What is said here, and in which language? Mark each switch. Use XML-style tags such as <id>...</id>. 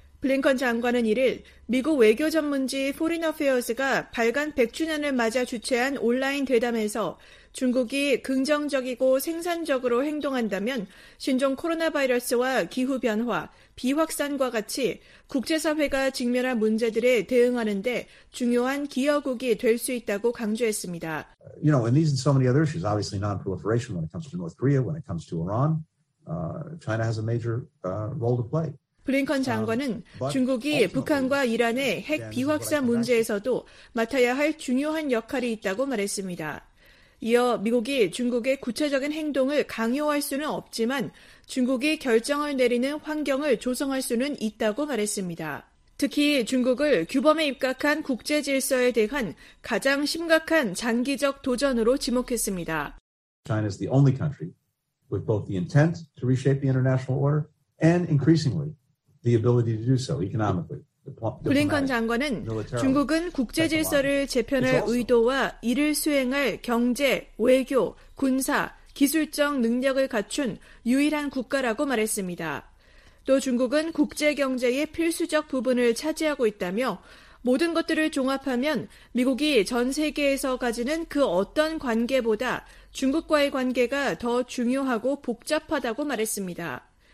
<ko>블링컨 장관은 이를 미국 외교 전문지 Foreign Affairs가 발간 100주년을 맞아 주최한 온라인 대담에서 중국이 긍정적이고 생산적으로 행동한다면 신종 코로나 바이러스와 기후변화, 비확산과 같이 국제사회가 직면한 문제들에 대응하는 데 중요한 기여국이 될 수 있다고 강조했습니다.</ko> <en>You know, and these and so many other issues, obviously non-proliferation when it comes to North Korea, when it comes to Iran, China has a major role to play.</en> <ko>블링컨 장관은 중국이 북한과 이란의 핵 비확산 문제에서도 맡아야 할 중요한 역할이 있다고 말했습니다. 이어 미국이 중국의 구체적인 행동을 강요할 수는 없지만 중국이 결정을 내리는 환경을 조성할 수는 있다고 말했습니다. 특히 중국을 규범에 입각한 국제 질서에 대한 가장 심각한 장기적 도전으로 지목했습니다.</ko> <en>China is the only country with both the intent to reshape the international order and increasingly the ability to do so economically.</en> <ko>블링컨 장관은 중국은 국제 질서를 재편할 의도와 이를 수행할 경제, 외교, 군사, 기술적 능력을 갖춘 유일한 국가라고 말했습니다. 또 중국은 국제 경제의 필수적 부분을 차지하고 있다며 모든 것들을 종합하면 미국이 전 세계에서 가지는 그 어떤 관계보다 중국과의 관계가 더 중요하고 복잡하다고 말했습니다.</ko>